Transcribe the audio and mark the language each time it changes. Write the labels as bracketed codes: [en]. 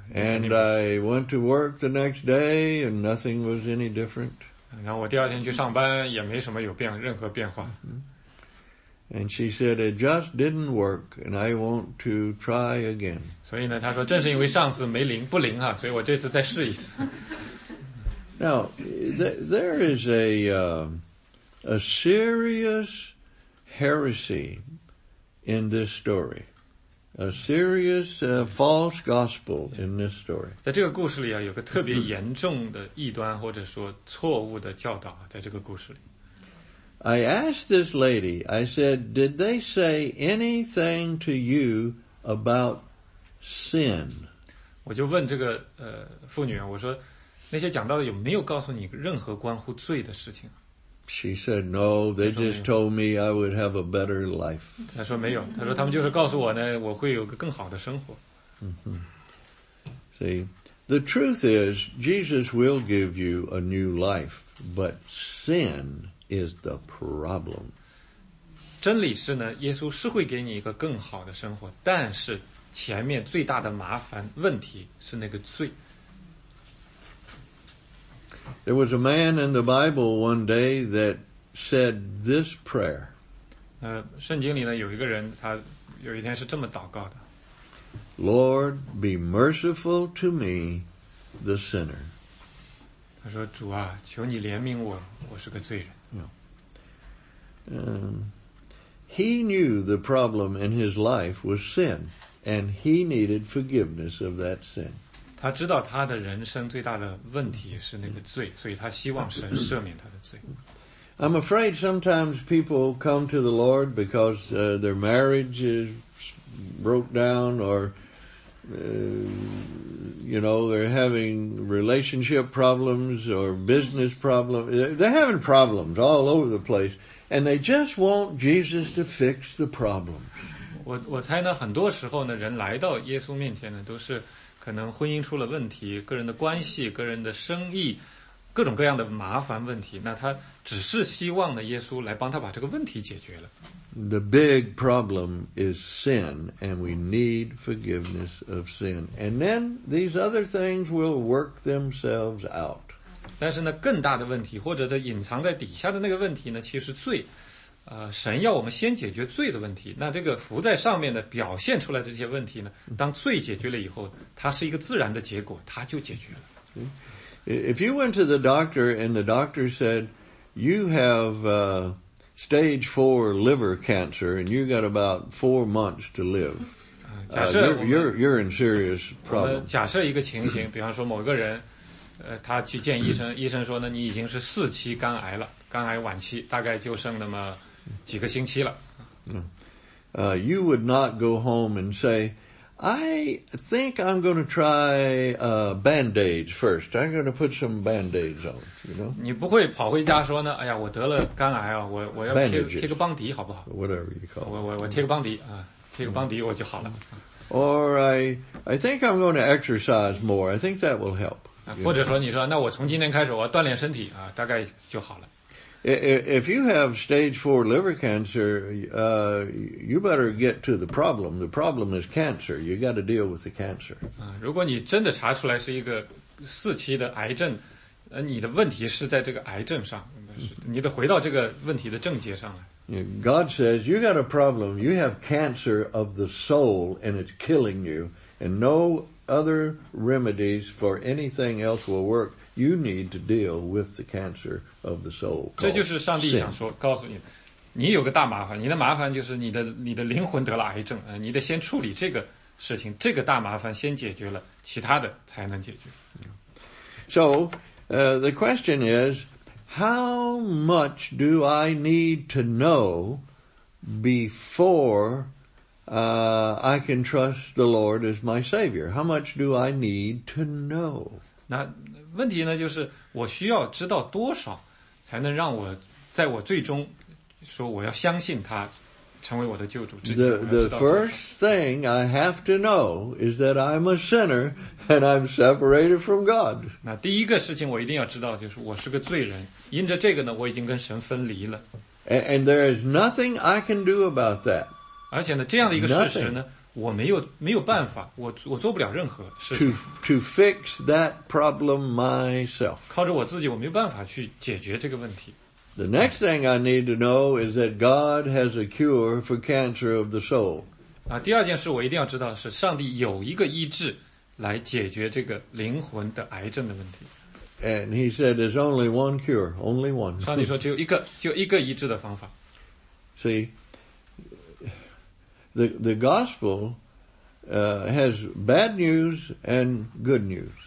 [en] And I went to work the next day, and nothing was any different. [zh] 然后我第二天去上班也没什么有任何变化。 [en] And she said it just didn't work, and I want to try again. [zh] 所以呢，他说正是因为上次没灵不灵啊，所以我这次再试一次。 [en] Now there is a serious heresy in this story, a serious false gospel in this story. [zh] 在这个故事里啊，有个特别严重的异端或者说错误的教导，在这个故事里。 [en] I asked this lady, I said, did they say anything to you about sin? [zh] 我就问这个妇女，我说那些讲到的有没有告诉你任何关乎罪的事情？ [en] She said, no, they just told me I would have a better life. [zh] 她说没有，她说他们就是告诉我呢，我会有个更好的生活。 [en] See, the truth is, Jesus will give you a new life, but sin is the problem. [zh] 真理是呢，耶稣是会给你一个更好的生活，但是前面最大的麻烦问题是那个罪。 [en] There was a man in the Bible one day that said this prayer. [zh] 圣经里呢有一个人，他有一天是这么祷告的。 [en] Lord, be merciful to me, the sinner. [zh] 他说主啊，求你怜悯我，我是个罪人。 [en] No. He knew the problem in his life was sin, and he needed forgiveness of that sin. [zh] 他知道他的人生最大的问题是那个罪，所以他希望神赦免他的罪。 [en] I'm afraid sometimes people come to the Lord because their marriage is broke down or, you know, they're having relationship problems or business problems. They're having problems all over the place, and they just want Jesus to fix the problems. [zh] 我猜呢，很多时候呢，人来到耶稣面前呢，都是可能婚姻出了问题，个人的关系，个人的生意，各种各样的麻烦问题，那他只是希望呢耶稣来帮他把这个问题解决了。 [en] The big problem is sin, and we need forgiveness of sin. And then these other things will work themselves out. [zh] 但是呢，更大的问题，或者在隐藏在底下的那个问题呢，其实罪。神要我们先解决罪的问题，那这个浮在上面的表现出来的这些问题呢，当罪解决了以后，它是一个自然的结果，它就解决了。 [en] If you went to the doctor and the doctor said, you have stage 4 liver cancer and you got about 4 months to live, [zh] 假设 [en] you're in serious problem. [zh] 假设一个情形，比方说某个人他去见医生，医生说呢，你已经是四期肝癌了，肝癌晚期，大概就剩那么几个星期了。 [en] You would not go home and say, I think I'm going to try band-aids first. I'm going to put some band-aids on, you know. [zh] 你不会跑回家说呢，哎呀，我得了肝癌啊，我要贴个邦迪好不好？ [en] Whatever you call it. [zh] 我贴个邦迪啊，贴个邦迪我就好了。 [en] Or I think I'm going to exercise more. I think that will help. [zh] 或者说你说，那我从今天开始我锻炼身体啊，大概就好了。 [en] If you have stage 4 liver cancer, you better get to the problem. The problem is cancer. You got to deal with the cancer. [zh] 如果你真的查出来是一个四期的癌症，你的问题是在这个癌症上，你得回到这个问题的症结上来。 [en] God says, you got a problem. You have cancer of the soul, and it's killing you. And no other remedies for anything else will work. You need to deal with the cancer of the soul. [zh] 这就是上帝想说告诉你，你有个大麻烦，你的麻烦就是你的灵魂得了癌症，你得先处理这个事情，这个大麻烦先解决了，其他的才能解决。 [en] So, the question is, how much do I need to know before, I can trust the Lord as my Savior? How much do I need to know? [zh] 那问题呢，就是我需要知道多少，才能让我在我最终说我要相信他成为我的救主之前。 [en] The first thing I have to know is that I'm a sinner and I'm separated from God. [zh] 那第一个事情我一定要知道，就是我是个罪人，因着这个呢，我已经跟神分离了。 [en] And there is nothing I can do about that. [zh] 而且呢，这样的一个事实呢。我没有办法，我做不了任何事情。 [en] To fix that problem myself. [zh] 靠着我自己，我没有办法去解决这个问题。 [en] The next thing I need to know is that God has a cure for cancer of the soul. [zh] 第二件事我一定要知道是上帝有一个医治来解决这个灵魂的癌症的问题。 [en] And he said there's only one cure, only one. [zh] 上帝说只有一个医治的方法。 [en] See?The gospel has bad news and good news.